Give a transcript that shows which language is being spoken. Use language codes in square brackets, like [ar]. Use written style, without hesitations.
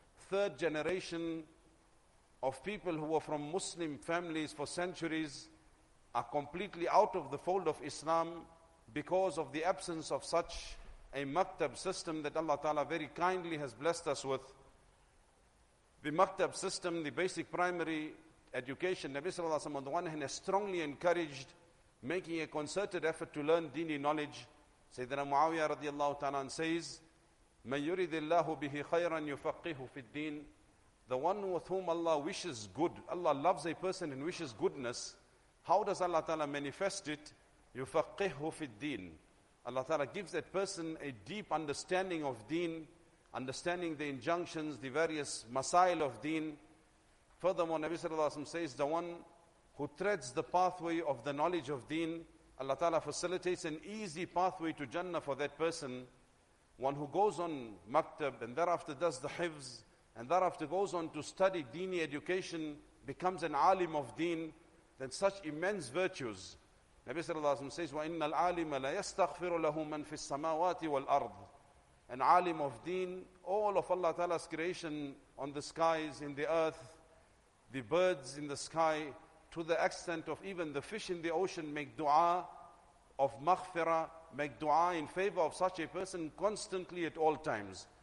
[en] Third generation of people who were from Muslim families for centuries are completely out of the fold of Islam because of the absence of such a maktab system that Allah Ta'ala very kindly has blessed us with. The maktab system, the basic primary education, Nabi Sallallahu Alaihi Wasallam on the one hand has strongly encouraged making a concerted effort to learn dini knowledge. Sayyidina Muawiyah radiallahu ta'ala says, [ar] مَنْ يُرِذِ اللَّهُ بِهِ خَيْرًا يُفَقِّهُ فِي الدِّينِ. [en] The one with whom Allah wishes good, Allah loves a person and wishes goodness, how does Allah Ta'ala manifest it? [ar] يُفَقِّهُ فِي الدِّينِ. [en] Allah Ta'ala gives that person a deep understanding of deen, understanding the injunctions, the various masail of deen. Furthermore, Nabi Sallallahu Alaihi Wasallam says, the one who treads the pathway of the knowledge of deen, Allah Ta'ala facilitates an easy pathway to Jannah for that person. One who goes on maktab and thereafter does the hifz and thereafter goes on to study deeni education, becomes an alim of deen, then such immense virtues. Nabi Sallallahu Alaihi Wasallam says, [ar] وَإِنَّ الْعَالِمَ لَيَسْتَغْفِرُ لَهُ مَنْ فِي السَّمَاوَاتِ وَالْأَرْضِ. [en] An alim of deen, all of Allah Ta'ala's creation on the skies, in the earth, the birds in the sky, to the extent of even the fish in the ocean, make dua of maghfirah, make dua in favor of such a person constantly at all times.